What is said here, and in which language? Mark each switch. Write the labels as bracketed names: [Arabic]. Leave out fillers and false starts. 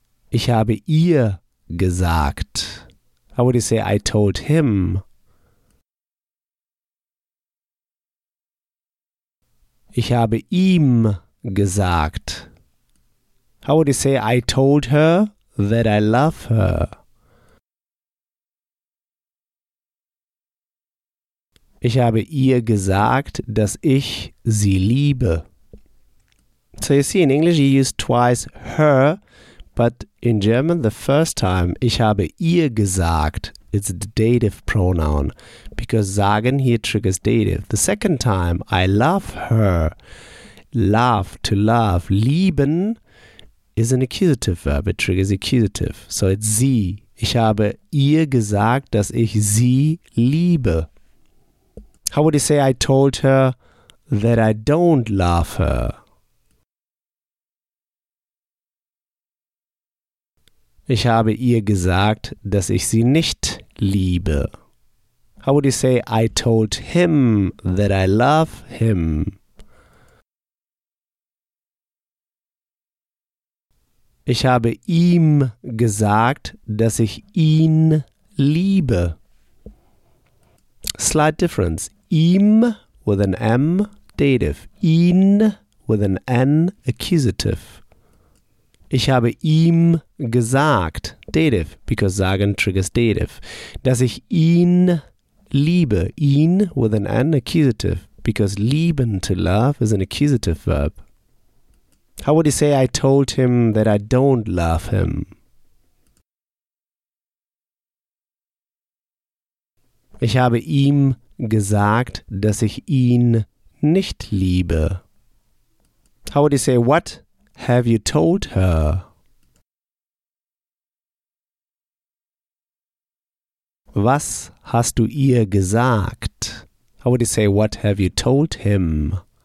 [German] Ich habe ihr gesagt. [English] How would you say I told him? [German] Ich habe ihm gesagt. [English] How would you say I told her that I love her? [German] Ich habe ihr gesagt, dass ich sie liebe. [English] So you see, in English you use twice her, but in German the first time, [German] ich habe ihr gesagt, [English] it's the dative pronoun, because sagen here triggers dative. The second time, I love her, love, to love, lieben is an accusative verb, it triggers accusative. So it's [German] sie, ich habe ihr gesagt, dass ich sie liebe. [English] How would you say I told her that I don't love her? [German] Ich habe ihr gesagt, dass ich sie nicht liebe. [English] How would you say I told him that I love him? [German] Ich habe ihm gesagt, dass ich ihn liebe. [English] Slight difference. Ihm with an M, dative. Ihn with an N, accusative. [German] Ich habe ihm gesagt, [English] dative, because sagen triggers dative. [German] Dass ich ihn liebe. [English] Ihn with an N, accusative, because lieben, to love, is an accusative verb. How would you say I told him that I don't love him? [German] Ich habe ihm gesagt, dass ich ihn nicht liebe. [English] How would you say, what have you told her? [German] Was hast du ihr gesagt? [English] How would you say, what have you told him?